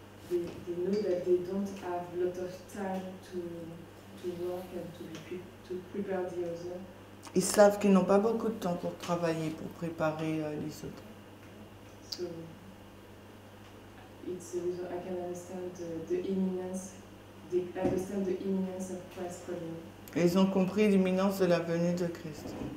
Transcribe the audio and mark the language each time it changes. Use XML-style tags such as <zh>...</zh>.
<en>they know that they don't have a lot of time to work and to prepare the other.</en> <fr>Ils savent qu'ils n'ont pas beaucoup de temps pour travailler, pour préparer les autres.</fr> <en>So, I understand the imminence of Christ's coming.</en> <fr>Ils ont compris l'imminence de la venue de Christ.</fr>